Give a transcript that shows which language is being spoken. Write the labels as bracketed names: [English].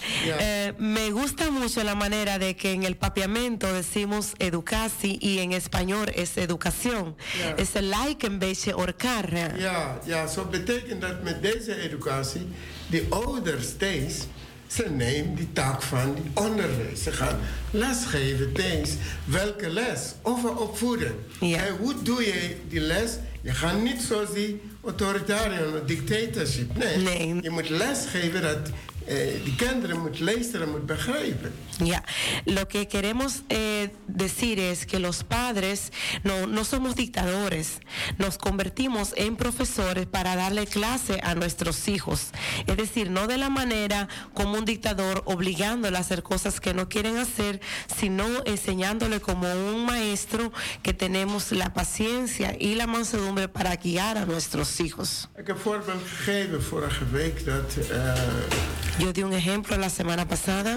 [Spanish] Ya, me gusta mucho la manera de que en el papiamento decimos educatie y en español. Es educación. Yeah. Es el like en vez de orcar. [Dutch] Ja, yeah, yeah. So betekent dat met deze educatie de ouders deze, ze nemen die taak van die onderwijs. Ze gaan lesgeven deze. Welke les? Over opvoeden. Yeah. En hoe doe je die les? Je gaat niet zoals die autoritarian, dictatorship. Nee. Nee. Je moet lesgeven dat Die kinderen moet luisteren, moet begrijpen. [Spanish] Ja, lo que queremos decir es que los padres no somos dictadores. Nos convertimos en profesores para darle clase a nuestros hijos. Es decir, no de la manera como un dictador obligándole a hacer cosas que no quieren hacer, sino enseñándole como un maestro que tenemos la paciencia y la mansedumbre para guiar a nuestros hijos. [Dutch] Ik heb voorbeeld gegeven vorige week dat... [Spanish] Yo di un ejemplo la semana pasada.